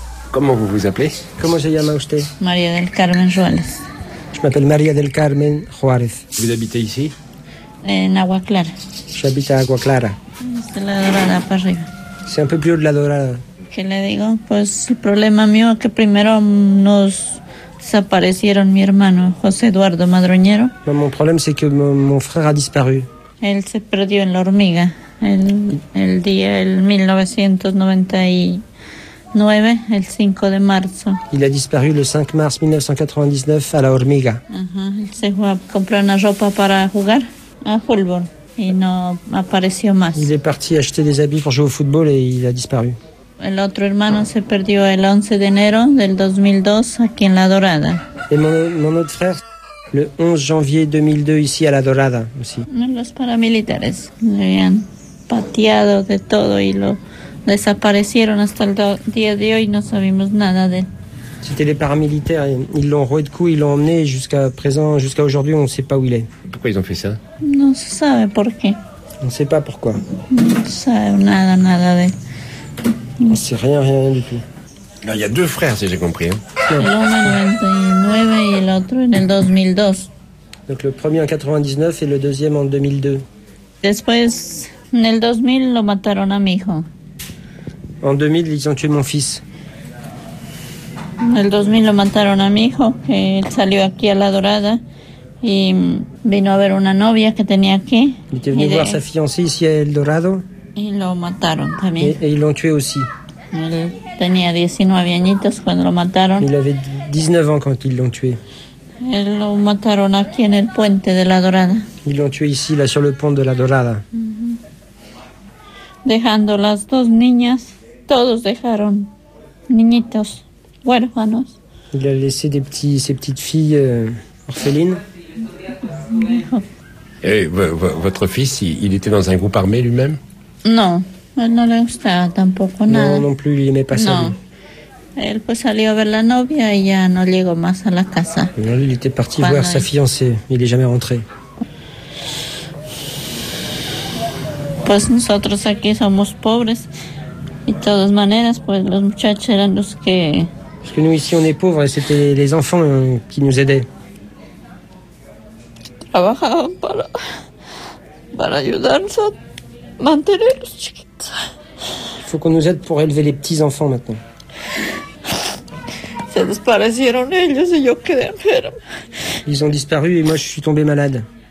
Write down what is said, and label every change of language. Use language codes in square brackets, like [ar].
[fr] Comment vous vous appelez? [es] Comment se llama usted? Maria del Carmen Juárez. [fr] Je m'appelle Maria del Carmen Juárez. Vous habitez ici? [es] En Agua Clara. [fr] J'habite à Agua Clara. C'est la Dorada, par arriba. C'est un peu plus haut de la Dorada. [es] Que le digo? Pues el problema mío es que primero nos desaparecieron mi hermano, José Eduardo Madroñero. [fr] Mais mon problème, c'est que mon frère a disparu. [es] Él se perdió en la hormiga. El día, el 1999, el 5 de marzo. [fr] Il a disparu le 5 mars 1999 à la Hormiga. [es] Il se fue a comprar una ropa para jugar a fútbol y no apareció más. [fr] Il est parti acheter des habits pour jouer au football et il a disparu. [es] El otro hermano se perdió el 11 de enero del 2002 aquí en La Dorada. [fr] Et mon autre frère, le 11 janvier 2002 ici à La Dorada aussi. [es] Los paramilitares le habían pateado de todo y lo desaparecieron hasta el día de hoy, no sabemos nada de él. [fr] C'était les paramilitaires, ils l'ont roué de coups, ils l'ont emmené jusqu'à présent, jusqu'à aujourd'hui, on ne sait pas où il est. Pourquoi ils ont fait ça? [es] No se sabe por qué. [fr] On ne sait pas pourquoi. [es] No se sabe nada, nada de él. [fr] On ne sait rien, rien du tout. Alors, il y a deux frères, si j'ai compris. L'un en 99 et l'autre en 2002. Donc le premier en 99 et le deuxième en 2002. [es] Después, en el 2000, lo mataron a mi hijo. [fr] En 2000, ils ont tué mon fils. [es] En el 2000 lo mataron a mi hijo, que salió aquí a La Dorada y vino a ver una novia que tenía aquí. [fr] Il était venu voir sa fiancée ici à El Dorado. [es] Y lo mataron también. [fr] Et ils l'ont tué aussi. [es] Él tenía 19 añitos cuando lo mataron. [fr] Il avait 19 ans quand ils l'ont tué. [es] Él lo mataron aquí en el puente de La Dorada. [fr] Ils l'ont tué ici, là, sur le pont de La Dorada. [es] Dejando las dos niñas, todos dejaron niñitos huérfanos. [fr] Il a laissé ses petites filles orphelines. Et votre fils, il était dans un groupe armé lui-même? [es] Non, él no le gustaba tampoco [fr] non, [es] nada. [fr] Non, non plus, il n'aimait pas ça. [es] Él pues salió a ver la novia y ya no llegó más a la casa. [fr] Non, il était parti voir sa fiancée, il n'est jamais rentré. [es] pues nosotros aquí somos pobres. Y de todas maneras, pues los muchachos eran los que... [fr] Parce que nous ici on est pauvres et c'était les enfants qui nous aidaient. [es] Qui trabajaban para... para ayudarnos a mantener los chiquitos. [fr] Il faut qu'on nous aide pour élever les petits enfants maintenant. [es] Se desaparecieron ellos y yo quedé enferma. [fr] Ils ont disparu et moi je suis tombée malade.